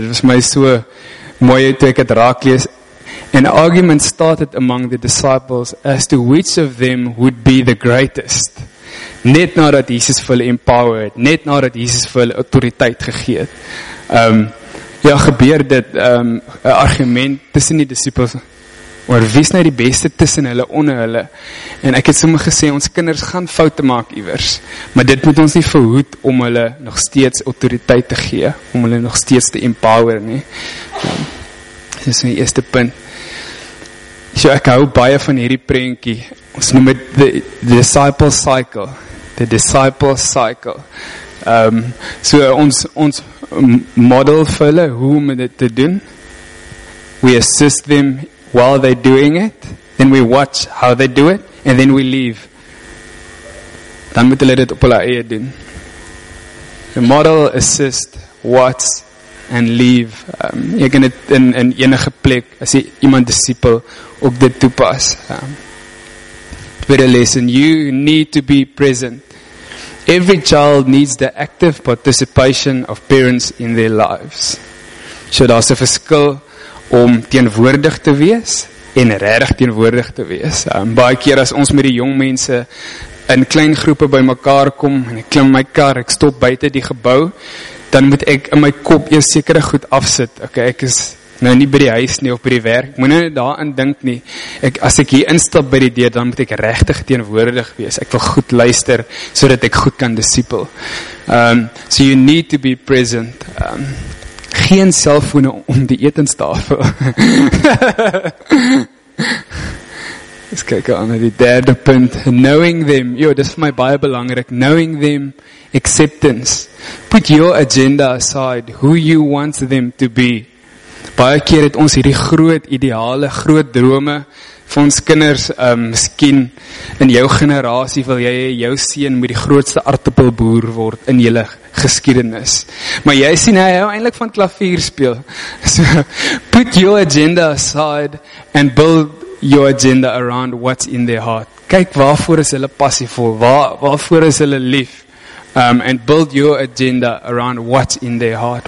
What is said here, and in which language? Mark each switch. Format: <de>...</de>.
<af>Dit was my so mooi uit toe ek het raak lees.</af> <en>An argument started among the disciples as to which of them would be the greatest.</en> <af>Net nadat Jesus vir hulle empower het. Net nadat Jesus vir hulle autoriteit gegee het. Ja, gebeur dit, een argument tussen die disciples, oor wie is nou die beste tussen hulle, onder hulle, en ek het sommer gesê, ons kinders gaan foute maak iwers, maar dit moet ons nie verhoed om hulle nog steeds autoriteit te gee, om hulle nog steeds te empower, nie. Dit is my eerste punt. So, ek hou baie van hierdie prentjie, ons noem het</af> <en>the disciple cycle,</en> <af>so ons model vir hulle hoe om dit te doen.</af> <en>We assist them while they're doing it, then we watch how they do it, and then we leave.</en> <af>Dan moet hulle dit op hulle eie doen.</af> <en>Model, assist, watch, and leave.</en> <af>Jy kan dit in enige plek, as jy iemand disciple, ook dit toepas. Tweede lesson,</af> <en>you need to be present. Every child needs the active participation of parents in their lives.</en> <af>So daar is 'n verskil om teenwoordig te wees en regtig teenwoordig te wees. Baie keer as ons met die jong mense in klein groepe by mekaar kom en ek klim my kar, ek stop buite die gebou, dan moet ek in my kop eers sekere goed afsit. Okay, ek is nou nie by die huis nie of by die werk. Ek moet nou daarin dink nie. As ek hier instap by die deur, dan moet ek regtig teenwoordig wees. Ek wil goed luister sodat ek goed kan disipel.</af> <en>So you need to be present.</en> <af>Geen selfone om die etenstafel.</af> <en>Let's kyk aan die derde punt. Knowing them.</en> <af>Jo, dis vir my baie belangrik.</af> <en>Knowing them. Acceptance.</en> <af>Put your agenda aside. Who you want them to be. Baie keer het ons hierdie groot ideale, groot drome vir ons kinders. Miskien in jou generasie wil jy jou seun met die grootste aardappelboer word in julle geskiedenis. Maar jy sien hy hou eintlik van klavier speel. So, put your agenda aside and build your agenda around what's in their heart. Kyk waarvoor is hulle passievol, waarvoor is hulle lief. And build your agenda around what's in their heart.</af>